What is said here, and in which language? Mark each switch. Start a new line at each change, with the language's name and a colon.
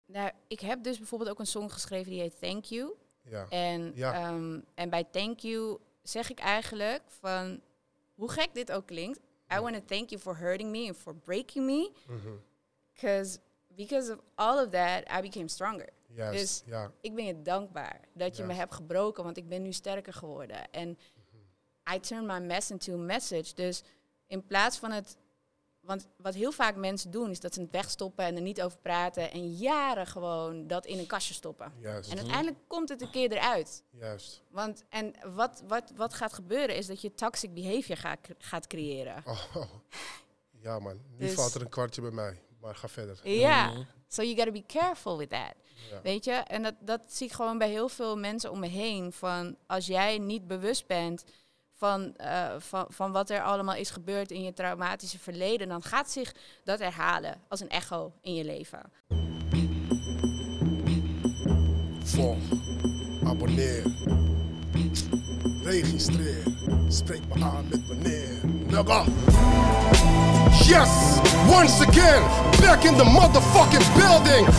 Dutch: Nou, ik heb dus bijvoorbeeld ook een song geschreven die heet Thank You. Ja. En, ja. En bij Thank You zeg ik eigenlijk van, hoe gek dit ook klinkt, I want to thank you for hurting me and for breaking me.
English: Because of all of that, I became stronger. Yes,
Dutch: dus ja. Ik ben je dankbaar dat je me hebt gebroken, want ik ben nu sterker geworden. En I turn my mess into a message. Dus in plaats van het... Want wat heel vaak mensen doen, is dat ze het wegstoppen en er niet over praten. En jaren gewoon dat in een kastje stoppen.
English: Yes.
Dutch: En uiteindelijk komt het een keer eruit. Juist. Want en wat gaat gebeuren, is dat je toxic behavior gaat creëren. Oh. Ja man, nu dus valt er een kwartje bij mij. Maar ga verder.
English: Ja, yeah. So you gotta be careful with that. Ja.
Dutch: Weet je, en dat zie ik gewoon bij heel veel mensen om me heen. Van als jij niet bewust bent van wat er allemaal is gebeurd in je traumatische verleden, dan gaat zich dat herhalen als een echo in je leven. Volg, abonneer, registreer, spreek me aan met meneer.
English: Yes, once again, back in the motherfucking building.